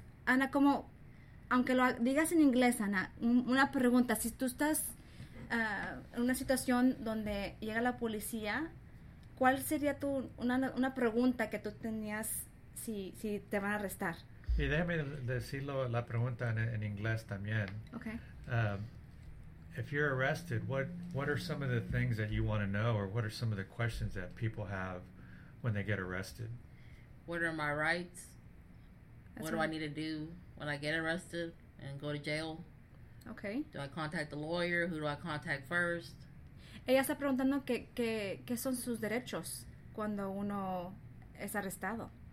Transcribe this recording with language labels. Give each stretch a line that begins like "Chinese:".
Spanish: Ana, como, aunque lo digas en inglés, Ana, una pregunta. Si tú estás en una situación donde llega la policía, ¿cuál sería una pregunta que tú tenías si te van a arrestar? Y déjame decirlo la pregunta en inglés también.
English: Okay. If you're arrested, what are some of the things that you want to know, or what are some of the questions that people have when they get arrested? What are my rights? That's What do I right. need to do when I get arrested and go to jail? Okay. Do I contact the lawyer? Who do I contact first?
Spanish: Ella está preguntando qué son sus derechos cuando uno es arrestado.